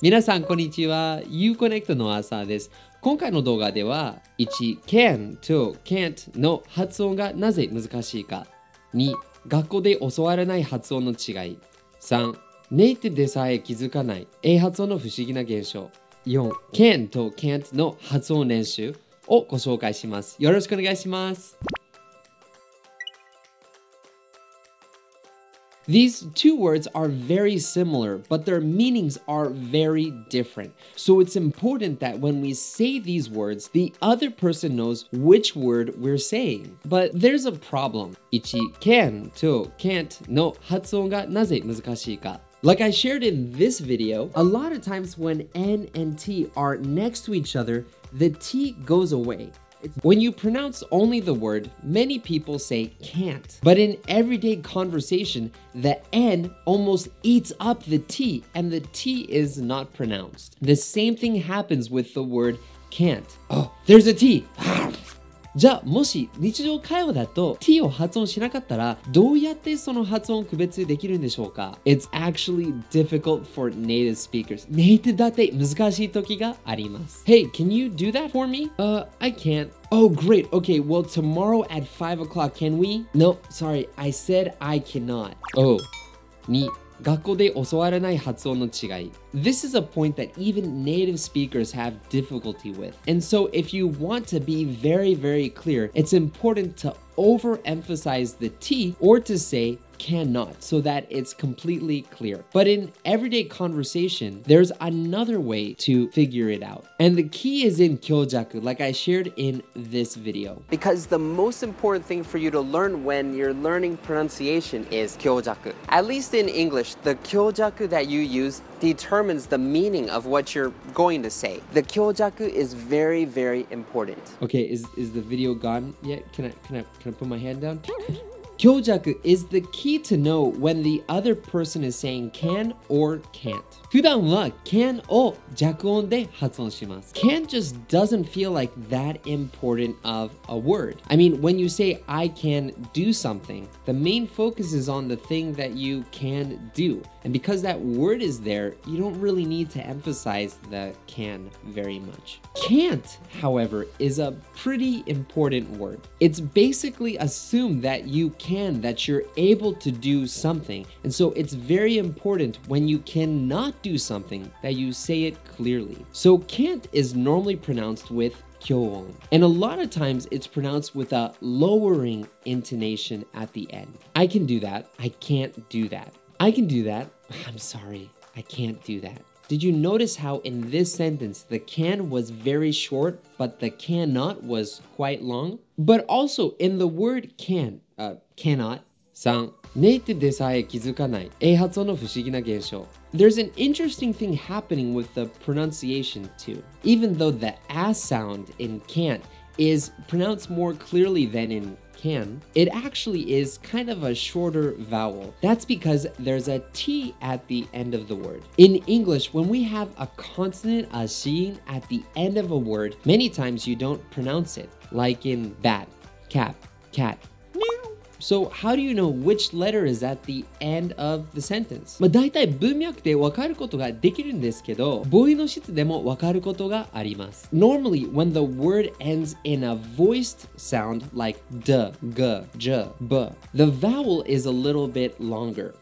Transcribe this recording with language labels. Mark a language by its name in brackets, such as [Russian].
[Japanese] 皆さんこんにちは、 You Connect のアーサーです。今回の動画では1、 can と can't の発音がなぜ難しいか、2、学校で教わらない発音の違い、3、ネイティブでさえ気づかない A 発音の不思議な現象、4、 can と can't の発音練習をご紹介します。よろしくお願いします。 [English] These two words are very similar, but their meanings are very different. So it's important that when we say these words, the other person knows which word we're saying. But there's a problem. [Japanese] 1. can と can't の発音がなぜ難しいか。 [English] Like I shared in this video, a lot of times when N and T are next to each other, the T goes away. When you pronounce only the word, many people say can't. But in everyday conversation, the N almost eats up the T and the T is not pronounced. The same thing happens with the word can't. Oh, there's a T! [Japanese] じゃあもし日常会話だと T を発音しなかったらどうやってその発音を区別できるんでしょうか？ [English] It's actually difficult for native speakers. [Japanese] ネイティブだって難しい時があります。 [English] Hey, can you do that for me? I can't. Oh great, okay, well tomorrow at 5 o'clock, can we? No, sorry, I said I cannot. Oh, 2. [Japanese] 学校で教わらない発音の違い。 [English] This is a point that even native speakers have difficulty with. And so if you want to be very, very clear, it's important to overemphasize the T or to say cannot so that it's completely clear. But in everyday conversation, there's another way to figure it out. And the key is in kyojaku, like I shared in this video. Because the most important thing for you to learn when you're learning pronunciation is kyojaku. At least in English, the kyojaku that you use determines the meaning of what you're going to say. The kyojaku is very, very important. Okay, is the video gone yet? Can I put my hand down? Kyojaku is the key to know when the other person is saying can or can't. [Japanese] 普段は can を弱音で発音します。 [English] Can just doesn't feel like that important of a word. I mean, when you say I can do something, the main focus is on the thing that you can do. And because that word is there, you don't really need to emphasize the can very much. Can't, however, is a pretty important word. It's basically assumed that you can, that you're able to do something. And so it's very important when you cannot do something that you say it clearly. So can't is normally pronounced with kyōon. And a lot of times it's pronounced with a lowering intonation at the end. I can do that. I can't do that. I can do that. I'm sorry. I can't do that. Did you notice how in this sentence the can was very short, but the cannot was quite long? But also in the word can, cannot. 3. [Japanese] ネイティブでさえ気づかない A 発音の不思議な現象。 [English] There's an interesting thing happening with the pronunciation too. Even though the A sound in can't is pronounced more clearly than in can, it actually is kind of a shorter vowel. That's because there's a T at the end of the word. In English, when we have a consonant, a shin, at the end of a word, many times you don't pronounce it. Like in bat, cap, cat, meow. So how do you know which letter is at the end of the sentence? [Japanese] まあ大体文脈でわかることができるんですけど、母音の質でもわかることがあります。 [English] Normally, when the word ends in a voiced sound like d, g, j, b, the vowel is a little bit longer.